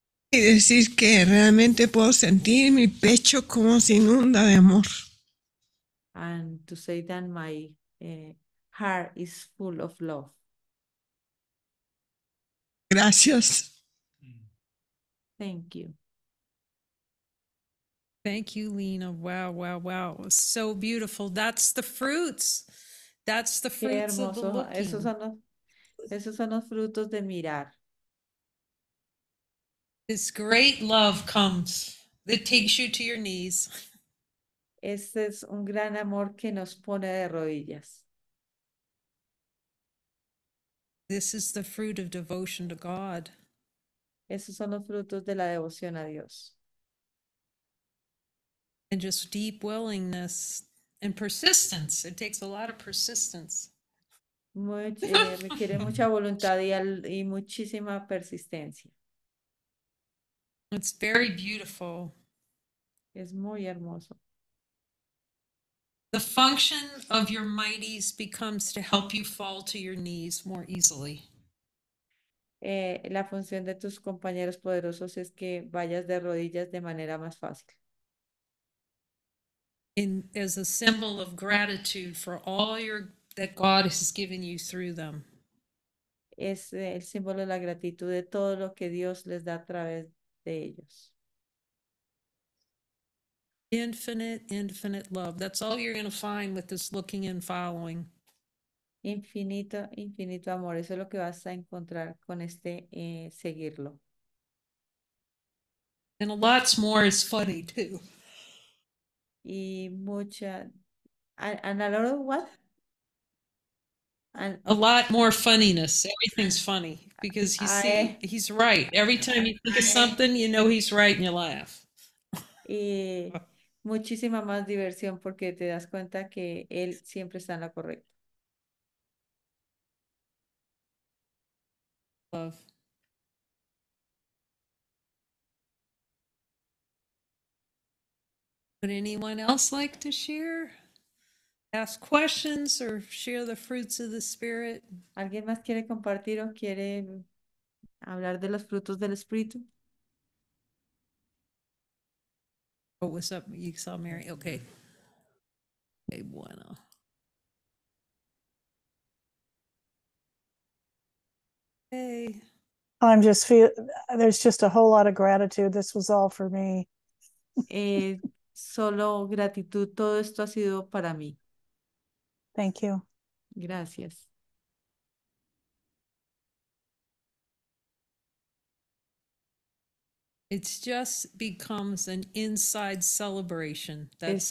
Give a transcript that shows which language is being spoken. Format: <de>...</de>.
<es>Y decir que realmente puedo sentir mi pecho como se inunda de amor.</es> <en>And to say that my heart is full of love.</en> <es>Gracias.</es> <en>Thank you. Thank you, Lena. Wow, wow, wow. So beautiful. That's the fruits. That's the fruits of the looking.</en> <es>Esos son los frutos de mirar.</es> <en>This great love comes. That takes you to your knees.</en> <es>Este es un gran amor que nos pone de rodillas.</es> <en>This is the fruit of devotion to God.</en> <es>Esos son los frutos de la devoción a Dios.</es> <en>And just deep willingness and persistence. It takes a lot of persistence.</en> <es>Requiere mucha voluntad y muchísima persistencia.</es> <en>It's very beautiful.</en> <es>Es muy hermoso.</es> <en>The function of your mighties becomes to help you fall to your knees more easily.</en> <es>La función de tus compañeros poderosos es que vayas de rodillas de manera más fácil.</es> <en>As a symbol of gratitude for all that God has given you through them.</en> <es>Es el símbolo de la gratitud de todo lo que Dios les da a través de ellos.</es> <en>Infinite, infinite love. That's all you're going to find with this looking and following.</en> <es>Infinito, infinito amor. Eso es lo que vas a encontrar con este seguirlo.</es> <en>And a lot more is funny too.</en> <es>Y mucha,</es> <en>and a lot of what? A lot more funniness. Everything's funny because he's right. Every time you think of something, you know he's right, and you laugh.</en> <es>Muchísima más diversión porque te das cuenta que él siempre está en la correcta.</es> <en>Love. Would anyone else like to share? Ask questions or share the fruits of the Spirit?</en> <es>¿Alguien más quiere compartir o quiere hablar de los frutos del Espíritu?</es> <en>Oh, what's up? You saw Mary? Okay. Okay, bueno. Hey. I'm just there's just a whole lot of gratitude. This was all for me.</en> <es>Solo gratitud, todo esto ha sido para mí.</es> <en>Thank you.</en> <es>Gracias.</es> <en>It just becomes an inside celebration. That's</en>